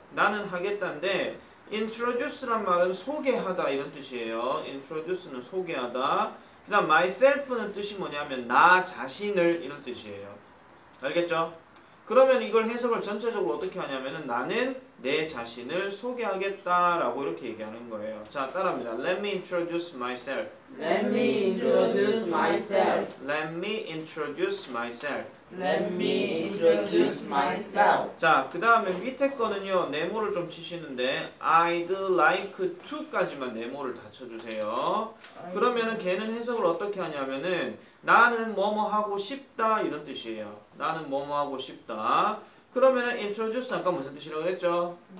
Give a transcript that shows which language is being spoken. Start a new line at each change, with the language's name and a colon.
Korean: 나는 하겠다인데 introduce란 말은 소개하다 이런 뜻이에요. introduce는 소개하다. 그 다음 myself는 뜻이 뭐냐면 나 자신을 이런 뜻이에요. 알겠죠? 그러면 이걸 해석을 전체적으로 어떻게 하냐면은 나는 내 자신을 소개하겠다 라고 이렇게 얘기하는 거예요. 자, 따라합니다.
English: Let me introduce myself. Let me introduce myself. Let me introduce myself. Let me introduce myself.
Korean: 자, 그 다음에 밑에 거는요 네모를 좀 치시는데
English: I'd like to
Korean: 까지만 네모를 다 쳐주세요. 그러면은 걔는 해석을 어떻게 하냐면은 나는 뭐뭐 하고 싶다 이런 뜻이에요. 나는 뭐뭐 하고 싶다. 그러면은 introduce 아까 무슨 뜻이라고 그랬죠?